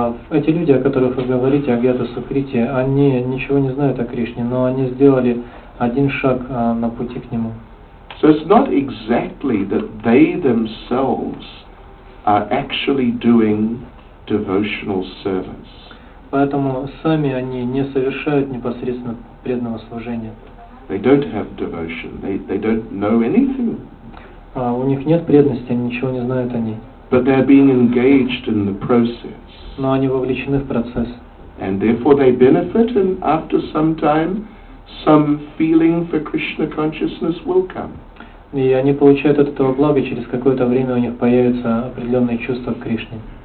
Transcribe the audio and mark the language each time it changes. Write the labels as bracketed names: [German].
[Russian] Эти люди, о которых вы говорите, Агьята Сукрити, они ничего не знают о Кришне, но они сделали один шаг на пути к нему. [English] So it's not exactly that they themselves are actually doing devotional service. [Russian] Поэтому сами они не совершают непосредственно преданного служения. [English] They don't have devotion. They don't know anything. [Russian] У них нет преданности, они ничего не знают о ней. [English] But they're being engaged in the process. [Russian] Но они вовлечены в процесс. [English] And therefore they benefit, and after some time some feeling for Krishna consciousness will come. [Russian] И они получают от этого благо, и через какое-то время у них появится определенное чувство к Кришне.